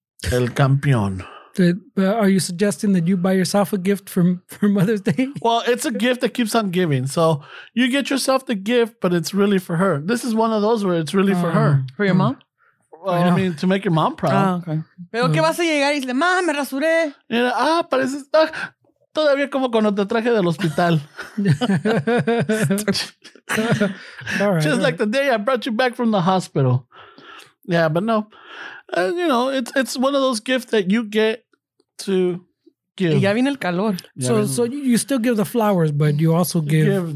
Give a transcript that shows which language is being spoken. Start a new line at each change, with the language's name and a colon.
Spanish: El Campeón.
English: Are you suggesting that you buy yourself a gift for Mother's Day? Well, it's a gift that keeps on giving. So you get yourself the gift, but it's really for her. This is one of those where it's really for her. For your mom? Well, I mean, to make your mom proud. Oh, okay.
Spanish: Pero que vas a llegar y dice, mamá, me rasuré.
English: Yeah,
Spanish: parece... Todavía como cuando te traje del hospital.
English: Just like the day I brought you back from the hospital. Yeah, but no. You know, it's one of those gifts that you get to give.
Spanish: Y ya viene el calor.
English: So you still give the flowers, but you also give